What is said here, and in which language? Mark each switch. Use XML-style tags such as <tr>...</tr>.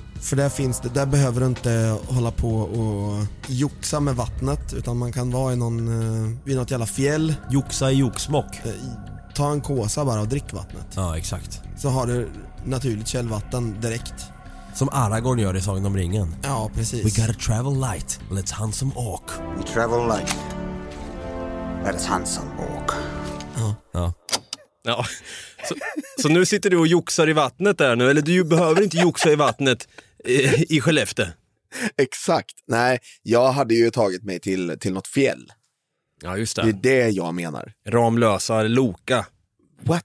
<sv>För där finns det, där behöver du inte hålla på och joxa med vattnet, utan man kan vara i någon, vid något jävla fjäll. Joxa i joxmock. Ta en kåsa bara och drick vattnet. Ja, exakt. Så har du naturligt källvatten direkt. Som Aragorn gör i Sagan om ringen. Ja, precis.</sv> <en>We gotta travel light, let's hunt some orc. We travel light, let's hunt some orc.</en> <sv>Ja. Ja. Ja. Så nu sitter du och joxar i vattnet där nu? Eller du behöver inte joxa i vattnet i Skellefteå? Exakt. Nej, jag hade ju tagit mig till något fjäll. Ja, just det. Det är det jag menar. Ramlösa, Loka.</sv> <en>What?</en>